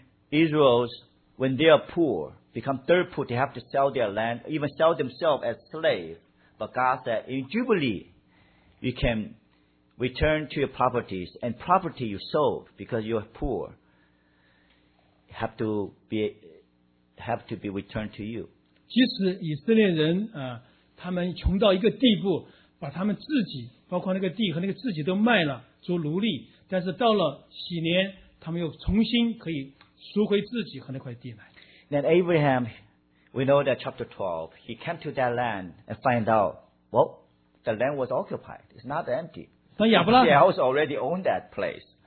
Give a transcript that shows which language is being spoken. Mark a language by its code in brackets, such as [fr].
[en] Israel's, when they are poor, become third poor, they have to sell their land, even sell themselves as slaves. But God said, in Jubilee, you can return to your properties, and property you sold because you are poor have to be returned to you. [zh] 即使以色列人, 他们穷到一个地步, 把他们自己, 包括那个地和那个自己都卖了, 做奴隶, 但是到了禧年, 他们又重新可以赎回自己和那块地来。 [en] Then Abraham, we know that chapter 12, he came to that land and find out, well, the land was occupied. It's not empty. The house already owned that place.